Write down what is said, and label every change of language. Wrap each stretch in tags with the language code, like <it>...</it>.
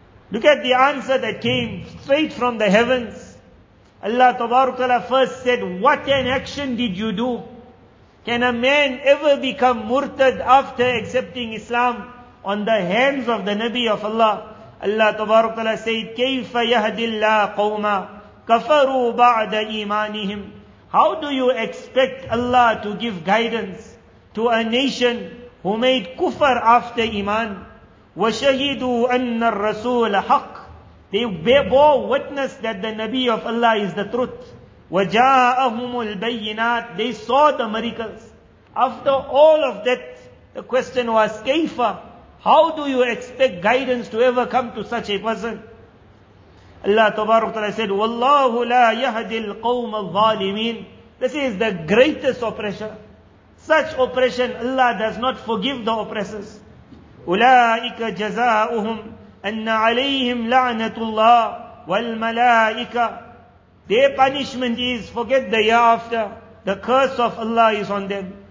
<en>Look at the answer that came straight from the heavens. Allah Tabarakala first said, what an action did you do? Can a man ever become murtad after accepting Islam on the hands of the Nabi of Allah? Allah Tabarakala said,</en> <ar>كَيْفَ يَهْدِ اللَّهُ قَوْمًا كَفَرُوا بَعْدَ إِيمَانِهِمْ.</ar> <en>How do you expect Allah to give guidance to a nation who made kufr after iman?</en> <ar>وَشَهِدُوا أَنَّ الرَّسُولَ حَقٌّ.</ar> <en>They bore witness that the Nabi of Allah is the truth.</en> <ar>وَجَاءَهُمُ الْبَيِّنَاتِ.</ar> <en>They saw the miracles. After all of that, the question was,</en> <ar>كَيْفَ.</ar> <en>How do you expect guidance to ever come to such a person? Allah Tabarak Ta'ala said,</en> <ar>وَاللَّهُ لَا يَهَدِي الْقَوْمَ الظَّالِمِينَ.</ar> <en>This is the greatest oppression. Such oppression, Allah does not forgive the oppressors.</en> <ar>أُولَٰئِكَ جَزَاؤُهُمْ أَنَّ عَلَيْهِمْ لَعْنَةُ اللَّهِ وَالْمَلَائِكَ.</ar> <en>Their punishment is, forget the year after, the curse of Allah is on them.</en>